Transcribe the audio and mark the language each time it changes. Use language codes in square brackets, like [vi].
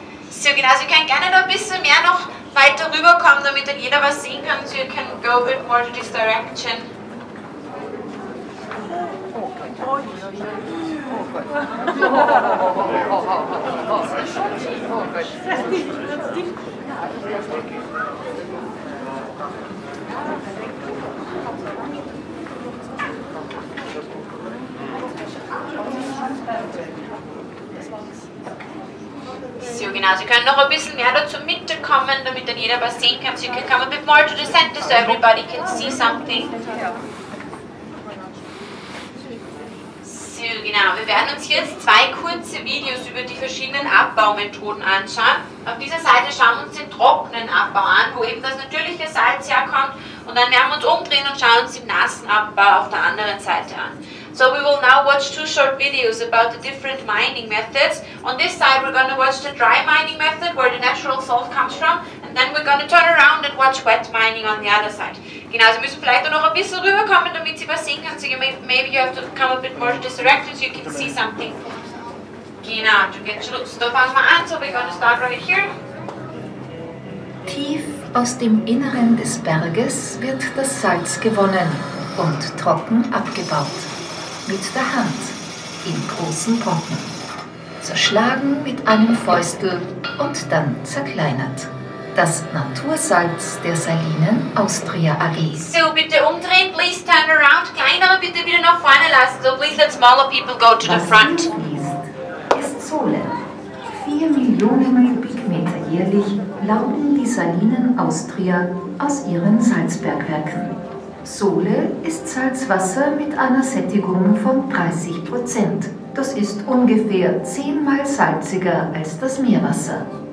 [de] So genau, also ihr könnt gerne noch ein bisschen mehr noch weiter rüberkommen, damit dann jeder was sehen kann. [en] So you can go a bit more to this direction. [de] So genau, Sie können noch ein bisschen mehr dazu mitkommen, damit dann jeder was sehen kann. [en] So you can come a bit more to the center so everybody can see something. [de] So genau, wir werden uns jetzt zwei kurze Videos über die verschiedenen Abbaumethoden anschauen. Auf dieser Seite schauen wir uns den trockenen Abbau an, wo eben das natürliche Salz herkommt. Und dann werden wir uns umdrehen und schauen uns den nassen Abbau auf der anderen Seite an. [en] So we will now watch two short videos about the different mining methods. On this side we're going to watch the dry mining method, where the natural salt comes from. And then we're going to turn around and watch wet mining on the other side. [de] Genau, Sie müssen vielleicht noch ein bisschen rüberkommen, damit Sie was sehen können. [en] So you maybe you have to come a bit more to this direction so you can see something. Genau, to get your look. [de] So fangen wir an. [en] So we're going to start right here. [de] Tief aus dem Inneren des Berges wird das Salz gewonnen und trocken abgebaut. Mit der Hand, in großen Brocken, zerschlagen mit einem Fäustel und dann zerkleinert. Das Natursalz der Salinen Austria AG. So, bitte umdrehen, [en] please turn around. [de] Kleinere bitte wieder nach vorne lassen. [en] So, please let smaller people go to the front. [de] Was hier ist, ist Sole. 4 Millionen Kubikmeter jährlich lauben die Salinen Austria aus ihren Salzbergwerken. Sole ist Salzwasser mit einer Sättigung von 30%. Das ist ungefähr 10-mal salziger als das Meerwasser.